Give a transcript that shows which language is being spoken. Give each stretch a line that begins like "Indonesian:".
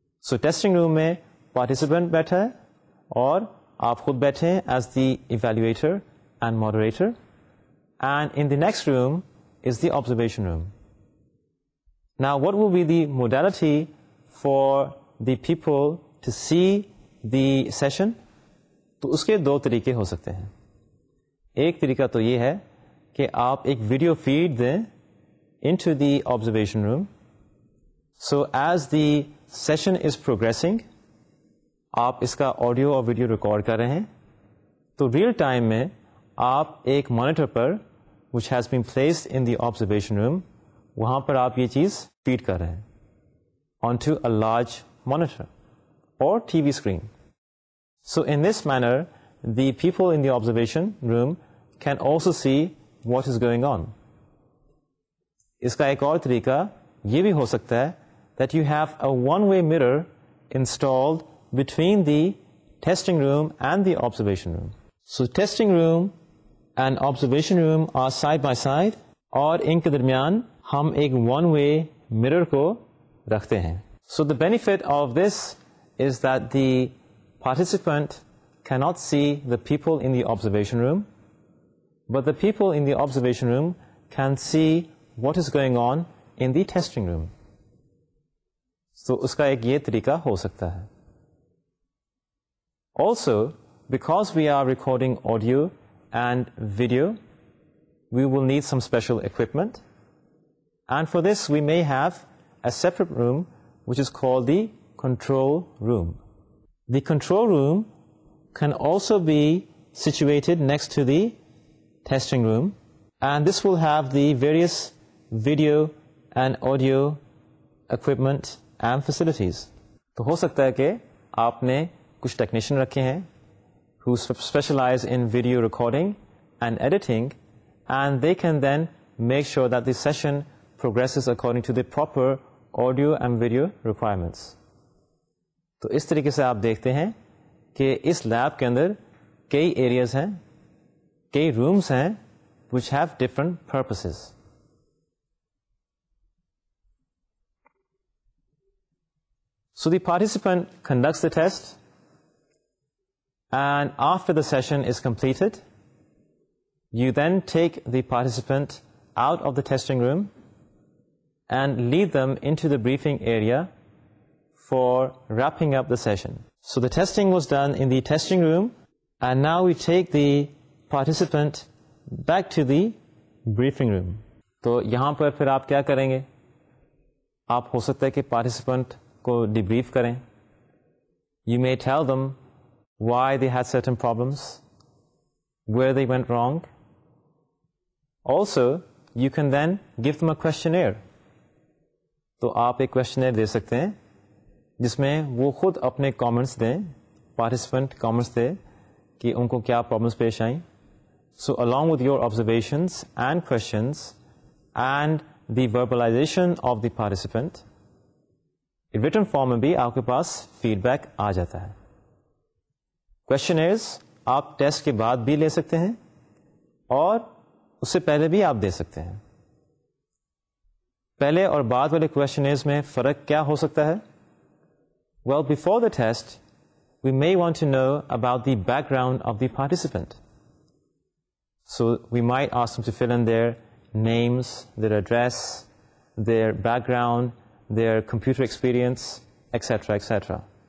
English: So testing room
Urdu: mein participant baitha hai aur aap khud baithe
English: as the evaluator and moderator. And in the next room is the observation room. Now, what will be the modality for the people to see the session?
Urdu: تو اس کے دو طریقے ہو سکتے ہیں. ایک طریقہ تو یہ ہے کہ آپ ایک ویڈیو فیڈ دیں
English: into the observation room. So as the session is progressing,
Urdu: آپ اس کا آڈیو اور ویڈیو ریکارڈ کر رہے ہیں, تو ریئل ٹائم میں آپ ایک monitor per
English: which has been placed in the observation room,
Urdu: وہاں پر آپ یہ چیز فیڈ کر رہے ہیں
English: onto a large monitor or TV screen. So in this manner, the people in the observation room can also see what is going on.
Urdu: اس کا ایک اور طریقہ یہ بھی ہو سکتا ہے
English: that you have a one-way mirror installed between the testing room and the observation room. So testing room and observation room are side by side,
Urdu: اور ان کے درمیان ہم ایک one-way mirror کو رکھتے ہیں.
English: So the benefit of this is that the participant cannot see the people in the observation room, but the people in the observation room can see what is going on in the testing room.
Urdu: So اس کا ایک یہ طریقہ ہو سکتا ہے.
English: Also, because we are recording audio and video, we will need some special equipment. And for this, we may have a separate room, which is called the control room. The control room can also be situated next to the testing room, and this will have the various video and audio equipment and facilities.
Urdu: تو ہو سکتا ہے کہ آپ نے کچھ technician رکھے ہیں
English: who specialize in video recording and editing, and they can then make sure that the session progresses according to the proper audio and video requirements.
Urdu: تو اس طریقے سے آپ دیکھتے ہیں کہ اس لیب کے اندر کئی ایریاز ہیں, کئی رومز ہیں
English: which have different purposes. So the participant conducts the test, and after the session is completed, you then take the participant out of the testing room and lead them into the briefing area for wrapping up the session. So the testing was done in the testing room, and now we take the participant back to the briefing room.
Urdu: تو یہاں پر پھر آپ کیا کریں گے, آپ ہو سکتا ہے کہ participant کو debrief کریں.
English: You may tell them why they had certain problems, where they went wrong. Also, you can then give them a questionnaire.
Urdu: تو آپ ایک questionnaire دے سکتے ہیں جس میں وہ خود اپنے comments دیں, participant comments دے کہ ان کو کیا problems پیش آئیں.
English: So along with your observations and questions and the verbalization of the participant, in written form
Urdu: میں بھی آپ کے پاس feedback آ جاتا ہے. Questionnaires آپ test کے بعد بھی لے سکتے ہیں اور اس سے پہلے بھی آپ دے سکتے ہیں. پہلے اور بعد والے questionnaires میں فرق کیا ہو سکتا ہے؟
English: Well, before the test, we may want to know about the background of the participant. So we might ask them to fill in their names, their address, their background, their computer experience, etc., etc.